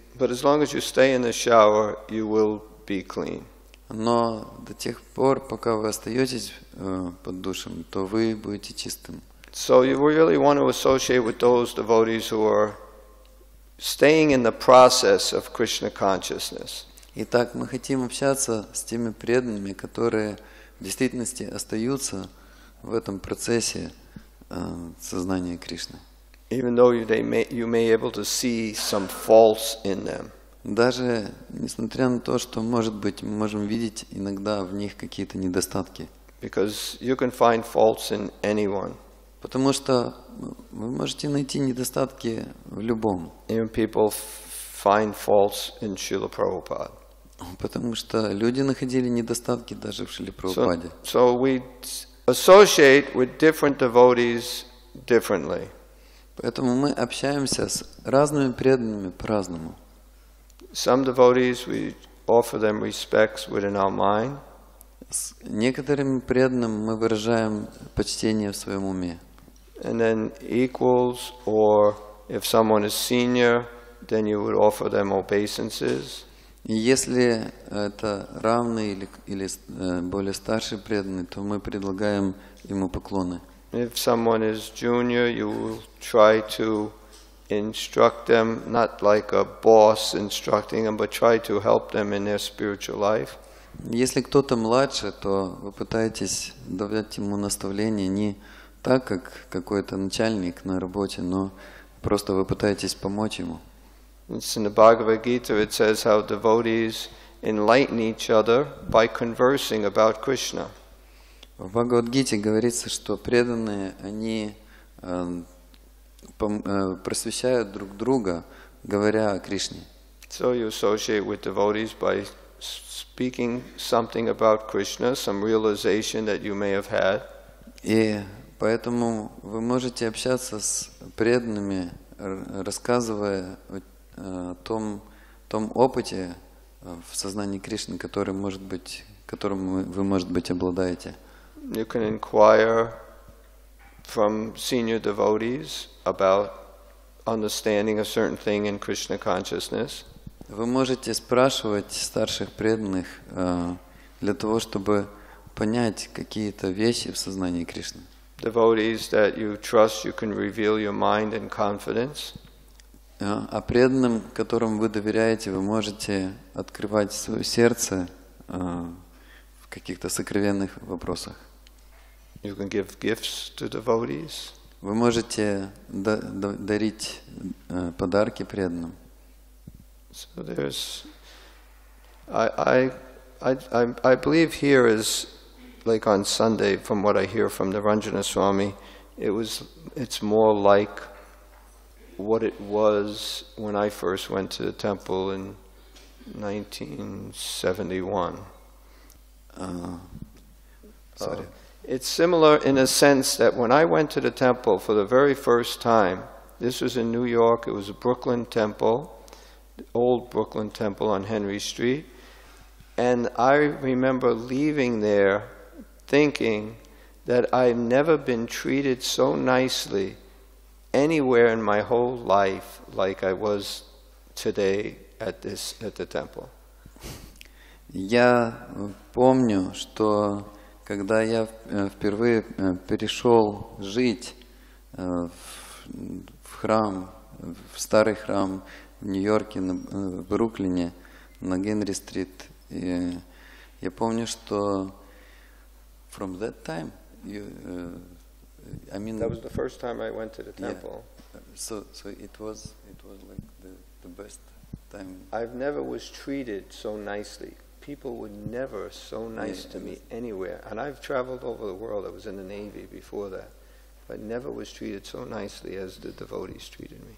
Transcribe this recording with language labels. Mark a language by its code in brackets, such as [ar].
[en] But as long as you stay in the shower, you will be clean. [ru] Но до тех пор, пока вы остаетесь под душем, то вы будете чистым. [en] So you really want to associate with those devotees who are staying in the process of Krishna consciousness. [ru] Итак, мы хотим общаться с теми преданными, которые в действительности остаются в этом процессе сознания Кришны. [en] Even though you may able to see some faults in them. [ru] Даже несмотря на то, что, может быть, мы можем видеть иногда в них какие-то недостатки. [en] Because you can find faults in anyone. [ru] Потому что вы можете найти недостатки в любом. [en] Even people find faults in Srila Prabhupada. [ru] Потому что люди находили недостатки даже в Шриле Прабхупаде. [en] So we associate with different devotees differently. [ru] Поэтому мы общаемся с разными преданными по-разному. [en] Some devotees we offer them respects within our mind. [ru] С некоторым преданным мы выражаем почтение в своем уме. [en] And then equals, or if someone is senior, then you would offer them obeisances. [ru] Если это равный или более старший преданный, то мы предлагаем ему поклоны. [en] If someone is junior, you will try to instruct them, not like a boss instructing them, but try to help them in their spiritual life. [ru] Если кто-то младше, то вы пытаетесь давать ему наставления не так, как какой-то начальник на работе, но просто вы пытаетесь помочь ему. [en] It's in the Bhagavad Gita, it says how devotees enlighten each other by conversing about Krishna. [ru] В Бхагавад-гите говорится, что преданные, они просвещают друг друга, говоря о Кришне. [en] So you associate with devotees by speaking something about Krishna, some realization that you may have had. [ru] И поэтому вы можете общаться с преданными, рассказывая о том опыте в сознании Кришны, которым вы, может быть, обладаете. [en] You can inquire from senior devotees about understanding a certain thing in Krishna consciousness. [ru] Вы можете спрашивать старших преданных для того, чтобы понять какие-то вещи в сознании Кришны. [en] Devotees that you trust, you can reveal your mind and confidence. [ru] А преданным, которым вы доверяете, вы можете открывать свое сердце в каких-то сокровенных вопросах. [en] You can give gifts to devotees. [ru] Вы можете дарить подарки преданным. [en] So there's, I believe here is like on Sunday, from what I hear from the Ranjana Swami, it's more like what it was when I first went to the temple in 1971. It's similar in a sense that when I went to the temple for the very first time, this was in New York, it was a Brooklyn temple, old Brooklyn temple on Henry Street, and I remember leaving there thinking that I've never been treated so nicely anywhere in my whole life like I was today at this at the temple. [ru] Я помню, что когда я впервые перешел жить в храм, в старый храм в Нью-Йорке, в Бруклине, на Генри-стрит, я помню, что [en] from that time, you, I mean, that was the first time I went to the temple. Yeah. So it was like the best time. I've never was treated so nicely. People were never so nice to me anywhere. And I've traveled over the world. I was in the Navy before that. But never was treated so nicely as the devotees treated me.